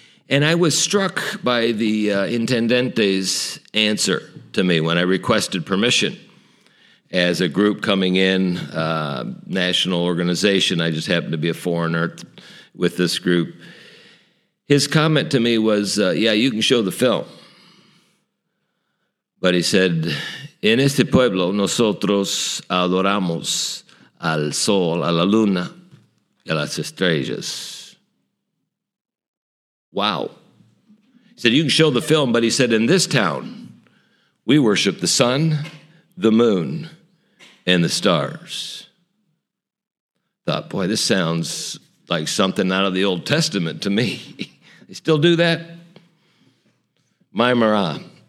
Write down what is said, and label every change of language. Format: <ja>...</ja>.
<en>And I was struck by the intendente's answer to me when I requested permission. As a group coming in, national organization, I just happened to be a foreigner with this group. His comment to me was, yeah, you can show the film. But he said,</en> <es>en este pueblo nosotros adoramos al sol, a la luna, y a las estrellas.</es> <en>Wow. He said, you can show the film, but he said, in this town, we worship the sun, the moon, and the stars. Thought, boy, this sounds like something out of the Old Testament to me. They still do that? Maimara.</en>